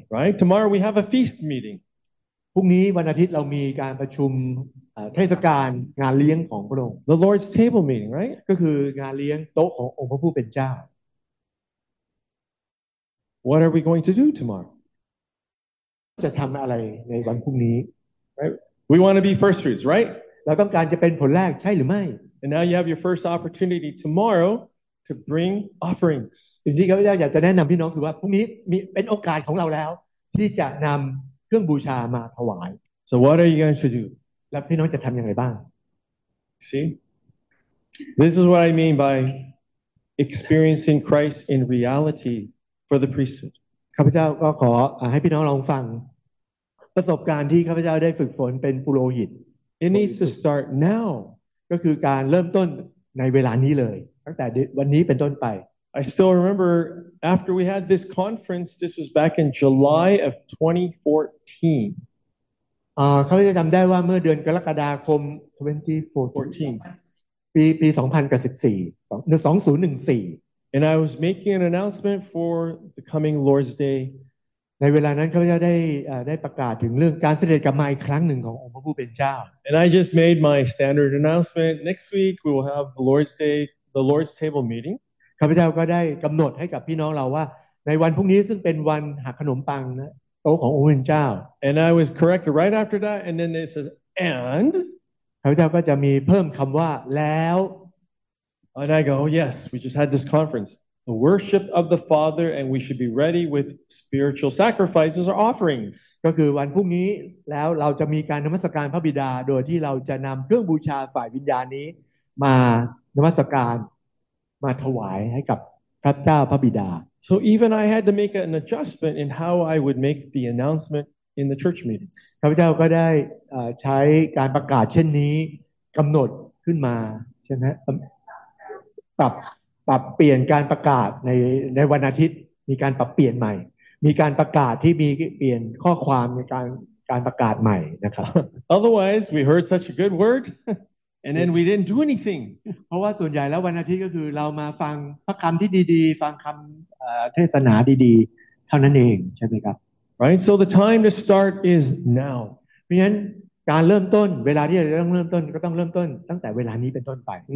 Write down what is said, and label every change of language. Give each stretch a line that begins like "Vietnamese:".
English: right tomorrow we have a feast meeting
Thai: พรุ่งนี้วันอาทิตย์เรามีการประชุมเทศกาลงานเลี้ยงของพระองค์
English: the lord's table meeting right
Thai: ก็คืองานเลี้ยงโต๊ะขององค์พระผู้เป็นเจ้า
English: what are we going to do tomorrow
Thai: จะทำอะไรในวันพรุ่งนี้
English: right we want to be first fruits right
Thai: เราต้องการจะเป็นผลแรกใช่หรือไม่
English: and now you have your first opportunity tomorrowTo bring offerings.
Thai: สิ่งที่ข้าพเจ้าอยากจะแนะนำพี่น้องคือว่าพรุ่งนี้มีเป็นโอกาสของเราแล้วที่จะนำเครื่องบูชามาถวาย
English: So what are you going to do?
Thai: แล้วพี่น้องจะทำอย่างไรบ้าง
English: See, this is what I mean by experiencing Christ in reality for the priesthood.
Thai: ข้าพเจ้าก็ขอให้พี่น้องลองฟังประสบการณ์ที่ข้าพเจ้าได้ฝึกฝนเป็นปุโรหิต
English: It needs to start now.
Thai: ก็คือการเริ่มต้นในเวลานี้เลยตั้งแต่วันนี้เป็นต้นไป
English: I still remember after we had this conference this was back in July of 2014
Thai: ข้าพเจ้าจำได้ว่าเมื่อเดือนกรกฎาคม2014ปี2014
English: and I was making an announcement for the coming Lord's Day
Thai: ในเวลานั้นข้าพเจ้าได้ประกาศถึงเรื่องการเสด็จกลับมาอีกครั้งหนึ่งขององค์พระผู้เป็นเจ้า
English: and I just made my standard announcement next week we will have the Lord's DayThe Lord's Table Meeting.
Thai: ข้าพเจ้าก็ได้กำหนดให้กับพี่น้องเราว่าในวันพรุ่งนี้ซึ่งเป็นวันหักขนมปังนะโต๊ะขององค์พระเจ้า
English: And I was corrected right after that, and then it says, and
Thai: ข้าพเจ้าก็จะมีเพิ่มคำว่าแล้ว
English: And I go, oh, yes, we just had this conference, the worship of the Father, and we should be ready with spiritual sacrifices or offerings.
Thai: ก็คือวันพรุ่งนี้แล้วเราจะมีการนมัสการพระบิดาโดยที่เราจะนำเครื่องบูชาฝ่ายวิญญาณนี้มานมัสการมาถวายให้กับพระเจ้าพระบิดา
English: So even I had to make an adjustment in how I would make the announcement in the church meetings
Thai: ข้าพเจ้าก็ได้ใช้การประกาศเช่นนี้กำหนดขึ้นมาใช่ไหมปรับเปลี่ยนการประกาศในวันอาทิตย์มีการปรับเปลี่ยนใหม่มีการประกาศที่มีเปลี่ยนข้อความในการประกาศใหม่นะครับ
English: Otherwise we heard such a good word And then we didn't do anything.
Thai: เพราะว่าส่วนใหญ่แล้ววันอาทิตย์ก็คือเรามาฟังพระคำที่ดีๆฟังคำเทศนาดีๆเท่านั้นเองใช่ไหมครับ
English: Right. So the time to start is now.
Thai: เพราะฉะนั้นการเริ่มต้นเวลาที่เราต้องเริ่มต้นก็ต้องเริ่มต้นตั้งแต่เวลานี้เป็นต้นไป